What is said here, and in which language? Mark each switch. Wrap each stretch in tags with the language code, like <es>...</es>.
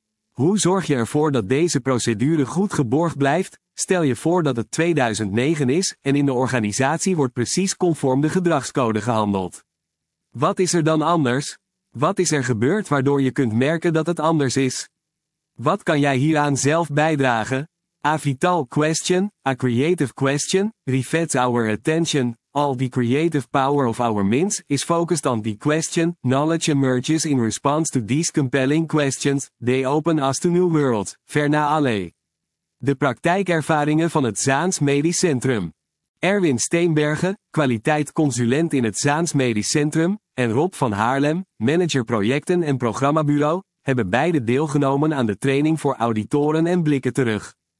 <nl>Hoe zorg je ervoor dat deze procedure goed geborgd blijft? Stel je voor dat het 2009 is en in de organisatie wordt precies conform de gedragscode gehandeld. Wat is er dan anders? Wat is er gebeurd waardoor je kunt merken dat het anders is? Wat kan jij hieraan zelf bijdragen?</nl> <en>A vital question, a creative question, rivets our attention, all the creative power of our minds is focused on the question, knowledge emerges in response to these compelling questions, they open us to new worlds, verna alle.</en> <nl>De praktijkervaringen van het Zaans Medisch Centrum. Erwin Steenbergen, kwaliteit consulent in het Zaans Medisch Centrum, en Rob van Haarlem, manager projecten en programmabureau, hebben beide deelgenomen aan de training voor auditoren en blikken terug.</nl>